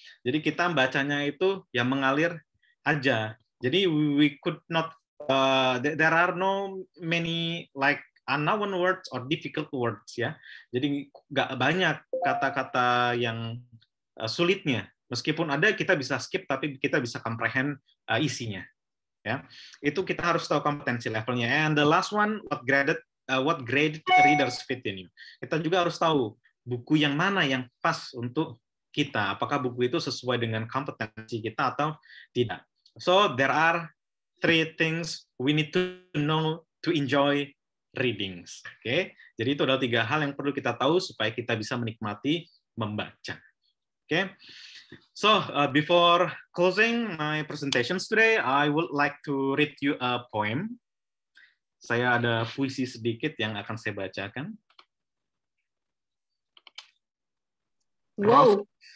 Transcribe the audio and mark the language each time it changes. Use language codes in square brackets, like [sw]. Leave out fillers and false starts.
[id] Jadi kita bacanya itu yang mengalir aja. Jadi [en] we could not there are no many like unknown words or difficult words ya. [id] Jadi nggak banyak kata-kata yang sulitnya. Meskipun ada kita bisa skip tapi kita bisa comprehend isinya. Ya, itu kita harus tahu kompetensi levelnya. [en] And the last one, what graded readers fit in you. [id] Kita juga harus tahu buku yang mana yang pas untuk kita. Apakah buku itu sesuai dengan kompetensi kita atau tidak. [en] So there are three things we need to know to enjoy readings. [id] Oke, jadi itu adalah tiga hal yang perlu kita tahu supaya kita bisa menikmati membaca. [en] Oke, so before closing my presentation today, I would like to read you a poem. [id] Saya ada puisi sedikit yang akan saya bacakan. Wow.